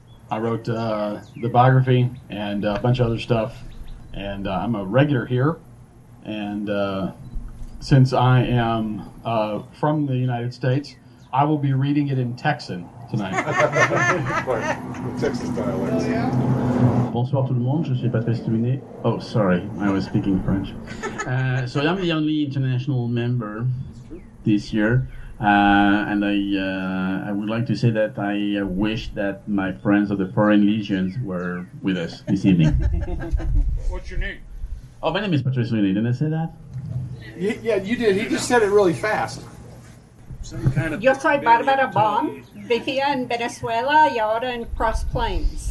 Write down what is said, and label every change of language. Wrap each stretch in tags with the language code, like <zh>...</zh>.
<en>I wrote the biography and a bunch of other stuff, and I'm a regular here. And since I am from the United States, I will be reading it in Texan tonight.</en> <fr>Bonsoir tout le monde, je suis Patrice Dumine.</fr> <en>Oh, sorry, I was speaking French. So I'm the only international member this year. And I would like to say that I wish that my friends of the Foreign Legions were with us this evening. What's your name? Oh, my name is Patrice Winnie. Didn't I say that? Yeah, you did. He just said it really fast. Some kind of.</en> <es>Yo soy Barbara Baum, vivía en Venezuela y ahora en Cross Plains.</es>